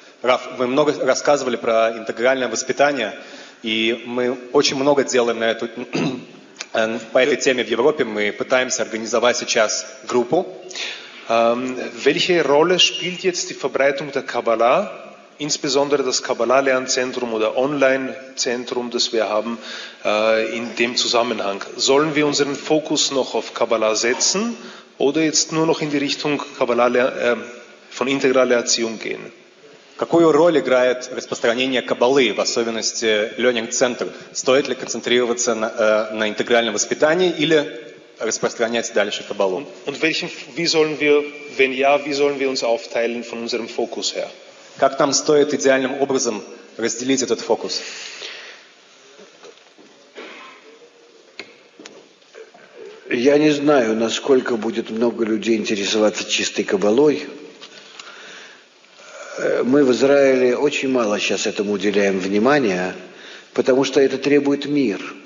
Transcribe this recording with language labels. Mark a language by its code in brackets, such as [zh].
[ru] Раф, вы много рассказывали про интегральное воспитание, и мы очень много делаем на эту, по этой теме в Европе. Мы пытаемся организовать сейчас группу. [de] Welche Rolle spielt jetzt die Verbreitung der Kabbalah, insbesondere das Kabbalah-Lernzentrum oder Online-Zentrum, das wir haben, in dem Zusammenhang? Sollen wir unseren Fokus noch auf Kabbalah setzen oder jetzt nur noch in die Richtung von integraler Erziehung gehen? [ru] Какую роль играет распространение каббалы, в особенности Learning Center? Стоит ли концентрироваться на интегральном воспитании или распространять дальше каббалу? [de] Und welchen, wie sollen wir, wenn ja, wie sollen wir uns aufteilen von unserem Fokus her? [ru] Как нам стоит идеальным образом разделить этот фокус? Я не знаю, насколько будет много людей интересоваться чистой каббалой. Мы в Израиле очень мало сейчас этому уделяем внимания, потому что это требует мир.